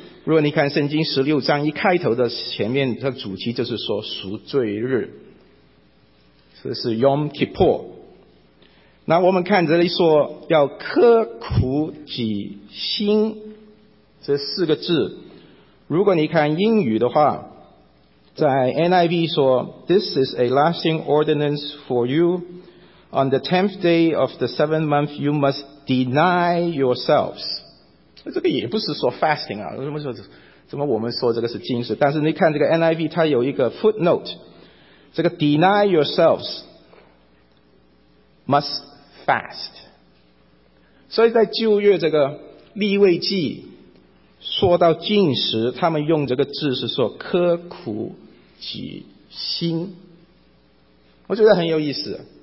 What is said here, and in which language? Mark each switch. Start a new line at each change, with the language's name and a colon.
Chinese: 如果你看圣经十六章一开头的前面，它主题就是说赎罪日，这是 Yom Kippur。那我们看这里说要刻苦己心这四个字，如果你看英语的话，在 NIV 说
English: This is a lasting ordinance for you. On the tenth day of the seventh month, you must deny yourselves.
Chinese: 这个也不是说 fasting 啊，怎么我们说这个是禁食？但是你看这个 NIV 它有一个 footnote， 这个
English: deny yourselves must fast。
Chinese: 所以在旧约这个立位记说到禁食，他们用这个字是说刻苦己心，我觉得很有意思。